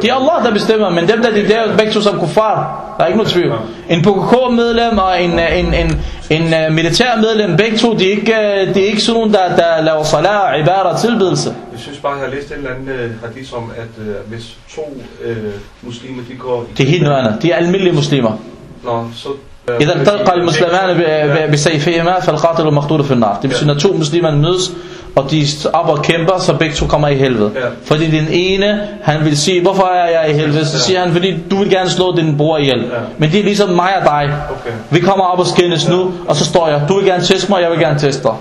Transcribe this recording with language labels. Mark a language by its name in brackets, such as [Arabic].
[Danish] det er Allah, der bestemmer, men dem der de dør, begge to som kuffar. Der er ikke noget tvivl. En PKK-medlem og en militær medlem, begge to, de er ikke sådan nogen, der laver salat, ibadah og tilbedelse. Jeg synes bare, jeg har læst en eller anden hadith om, at hvis to muslimer, de går... Det er helt noget andet. De er almindelige muslimer. Nå, så... [Arabic] إذا التقى المسلمان بسيفهما فالقاتل مقتول في النار. [Danish] Det betyder, at to muslimer mødes, og de op og kæmper, så begge to kommer i helvede. [English] Yeah. [Danish] Fordi den ene, han vil sige, hvorfor er jeg i helvede? Så siger han, fordi du vil gerne slå din bror ihjel. [English] Yeah. [Danish] Men det er ligesom mig og dig. [English] Okay. [Danish] Vi kommer op og skændes nu, og så står jeg. Du vil gerne teste mig, jeg vil gerne teste dig.